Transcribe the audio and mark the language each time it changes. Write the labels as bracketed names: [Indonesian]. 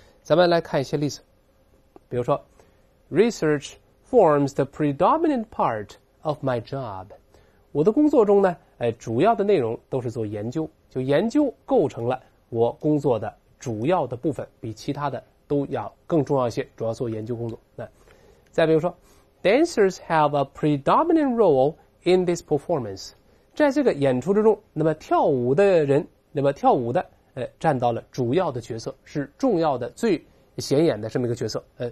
[Chinese] 咱们来看一些例子，比如说 [English] ，research forms the predominant part of my job。 [Chinese] 我的工作中呢，主要的内容都是做研究，就研究构成了我工作的主要的部分，比其他的都要更重要一些，主要做研究工作。那再比如说。 [English] Dancers have a predominant role in this performance. [Chinese] 在这个演出之中，那么跳舞的人，那么跳舞的，占到了主要的角色，是重要的、最显眼的这么一个角色。